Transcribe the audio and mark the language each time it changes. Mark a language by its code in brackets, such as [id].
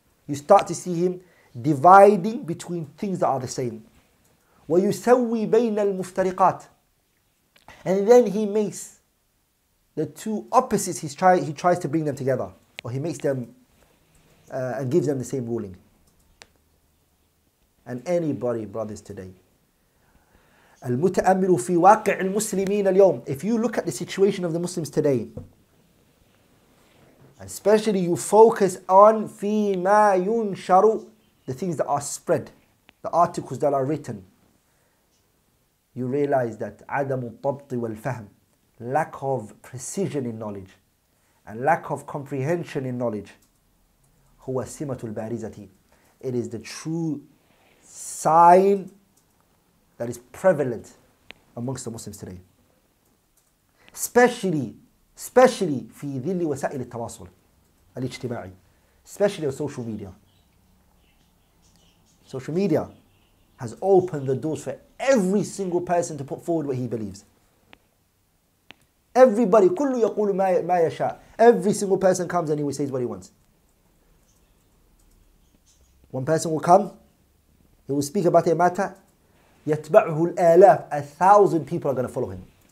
[en] You start to see him dividing between things that are the same. [ar] وَيُسَوِّي بَيْنَ الْمُفْتَرِقَاتِ. [en] And then he makes the two opposites, he tries to bring them together. Or he makes them and gives them the same ruling. And anybody, brothers, today, [ar] الْمُتَأَمِّلُ فِي وَاقِعِ الْمُسْلِمِينَ الْيَوْمِ. [en] If you look at the situation of the Muslims today, especially you focus on [ar] فِيمَا يُنْشَرُ, [en] the things that are spread, the articles that are written, you realize that [ar] عدم الضبط والفهم, [en] lack of precision in knowledge and lack of comprehension in knowledge, [ar] هو سمة البارزة, [en] it is the true sign that is prevalent amongst the Muslims today. Especially [ar] في ذل وسائل التواصل الاجتماعي, [en] especially on social media. Social media, has opened the doors for every single person to put forward what he believes. Everybody, [ar] كُلُّ يَقُولُ مَا يَشَاءُ. [en] Every single person comes and he says what he wants. One person will come, he will speak about a matter, [ar] يَتْبَعُهُ الْآلَافُ. [en] 1,000 people are going to follow him.